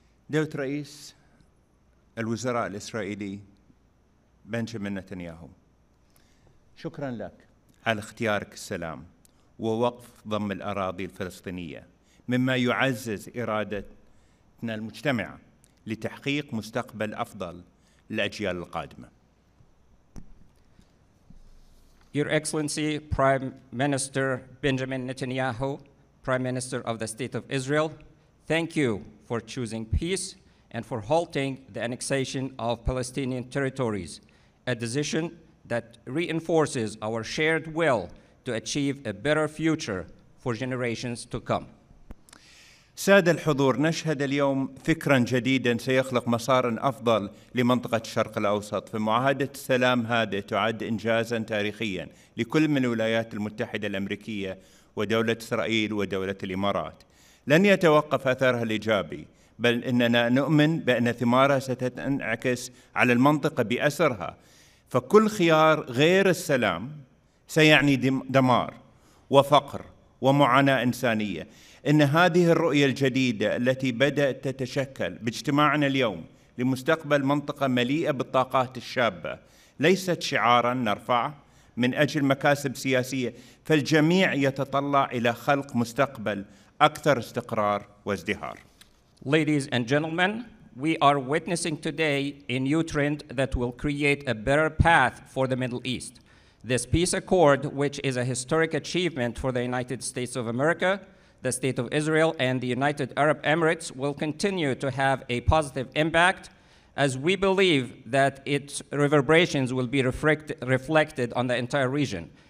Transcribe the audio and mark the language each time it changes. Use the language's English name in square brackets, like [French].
[Arabic] دوت رئيس الوزراء الإسرائيلي بنجامين نتنياهو. شكرا لك على اختيارك السلام ووقف ضم الأراضي الفلسطينية، مما يعزز إرادتنا المجتمعة لتحقيق مستقبل أفضل للأجيال القادمة. [English] Your Excellency Prime Minister Benjamin Netanyahu, Prime Minister of the State of Israel, thank you for choosing peace and for halting the annexation of Palestinian territories, a decision that reinforces our shared will to achieve a better future for generations to come. [Arabic] سادة الحضور، نشهد اليوم فكراً جديداً سيخلق مساراً أفضل لمنطقة الشرق الأوسط، فمعاهدة السلام هذه تعد إنجازاً تاريخياً لكل من الولايات المتحدة الأمريكية ودولة إسرائيل ودولة الإمارات. لن يتوقف أثرها الإيجابي، بل إننا نؤمن بأن ثمارها ستنعكس على المنطقة بأسرها، فكل خيار غير السلام سيعني دمار وفقر ومعاناة إنسانية. إن هذه الرؤية الجديدة التي بدأت تتشكل باجتماعنا اليوم لمستقبل منطقة مليئة بالطاقات الشابة ليست شعاراً نرفعه من أجل مكاسب سياسية، فالجميع يتطلع إلى خلق مستقبل أكثر استقرار وازدهار. [English] Ladies and gentlemen, we are witnessing today a new trend that will create a better path for the Middle East. This peace accord, which is a historic achievement for the United States of America, the State of Israel, and the United Arab Emirates, will continue to have a positive impact, as we believe that its reverberations will be reflected on the entire region.